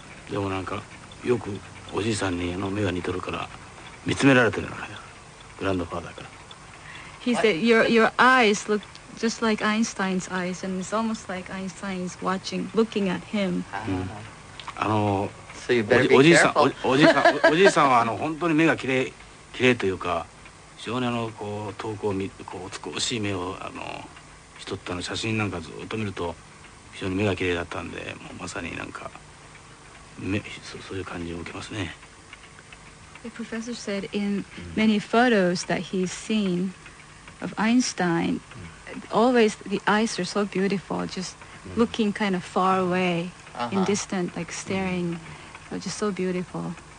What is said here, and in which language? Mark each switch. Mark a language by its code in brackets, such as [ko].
[ja] でもなんかよくおじいさんにあの目が似てるから見つめられてるのかな、グランドファーザーから。 [en] He said, your eyes look just like Einstein's eyes, and it's almost like Einstein's watching, looking at him. [ja] あの、 [en] so you better be careful. [ja] おじいさんはあの本当に目がきれいというか、非常にあのこう遠くを見、こう美しい目をあの。人ったの写真なんかずっと見ると非常に目が綺麗だったんで、もうまさになんか目 そういう感じを受けますね。 [en] The professor said in many photos that he's seen of Einstein, always the eyes are so beautiful, just looking kind of far away, in distant, like staring, just so beautiful.